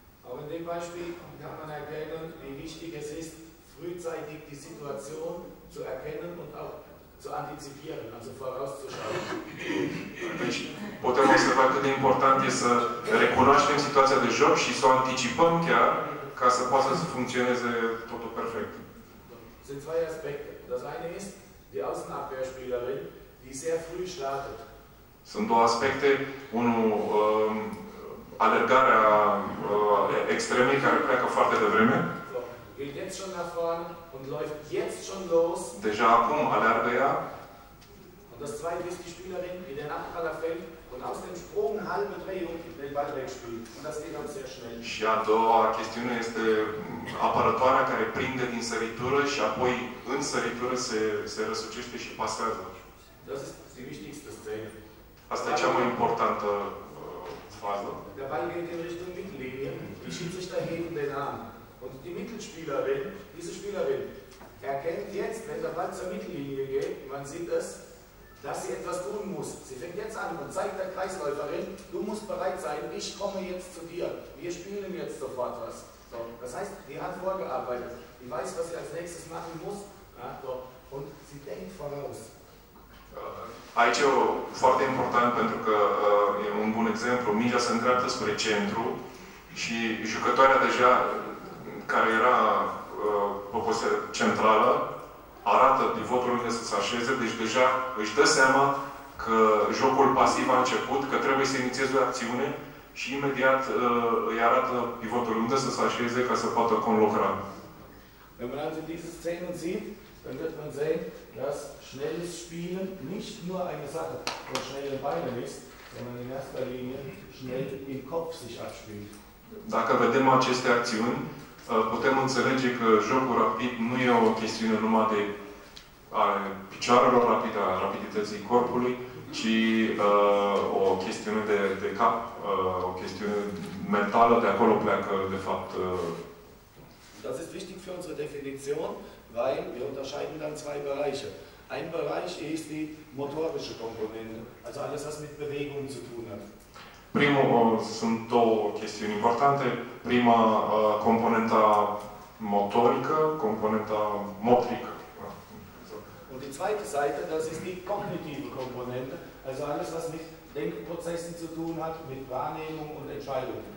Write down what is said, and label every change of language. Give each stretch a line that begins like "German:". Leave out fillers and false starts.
German: Auch in dem Beispiel kann man erkennen, wie wichtig es ist, frühzeitig die Situation zu erkennen und auch zu antizipieren, also vorauszuschauen.
Romanian: Deci, putem observa cât de important e să recunoaștem situația de joc și să o anticipăm chiar, ca să poată să funcționeze totul perfect. Sunt
German: zwei
Romanian: aspecte.
German: Das eine ist die Außenabwehrspielerin, die sehr früh startet.
Romanian: Sunt două aspecte. Unul, alergarea extremei care pleacă foarte devreme.
German: Geht jetzt schon nach vorne und läuft jetzt schon los.
Romanian: Deja acum alergă ea.
German: Und das zweite ist die Spielerin, die den Abpraller fällt und aus dem Sprung halbe Drehung den Ball wegspielt. Und das geht auch sehr schnell.
Romanian: Și a doua chestiune este apărătoarea care prinde din săritură și apoi în săritură se răsucește și pasează.
German: Das ist die wichtigste Szene.
Romanian: Asta e cea mai importantă fază.
German: Der Ball geht in Richtung Mittellinie. Die Schiedsrichter heben den Arm. Und die Mittelspielerin, diese Spielerin, erkennt jetzt, wenn der Ball zur Mittellinie geht, man sieht es, dass sie etwas tun muss. Sie fängt jetzt an und zeigt der Kreisläuferin, du musst bereit sein, ich komme jetzt zu dir. Wir spielen jetzt sofort was. So. Das heißt, die hat vorgearbeitet. Die weiß, was sie als nächstes machen muss. Ja, so. Und sie denkt voraus.
Romanian: Aici e foarte important pentru că e un bun exemplu. Mingea se îndreaptă spre centru și jucătoarea deja care era pe poziția centrală arată pivotul unde să se așeze, deci deja își dă seama că jocul pasiv a început, că trebuie să inițieze o acțiune și imediat îi arată pivotul unde să se așeze ca să poată conlocra.
German: Dann wird man sehen, dass schnelles Spielen nicht nur eine Sache von schnellen Beinen ist, sondern in erster Linie schnell im Kopf sich abspielt.
Romanian: Dacă vedem aceste acțiuni, putem înțelege că jocul rapid nu e o chestiune numai de a picioarelor rapide, a rapidității corpului, ci o chestiune de cap, o chestiune mentală, de acolo pleacă, de fapt.
German: Das ist wichtig für unsere Definition. Weil wir unterscheiden dann zwei Bereiche. Ein Bereich ist die motorische Komponente, also alles, was mit Bewegung zu tun hat.
Romanian: Primul sunt două chestiuni importante. Prima, componenta motorică, componenta motrică.
German: Und die zweite Seite, das ist die kognitive Komponente, also alles, was mit Denkprozessen zu tun hat, mit Wahrnehmung und Entscheidung.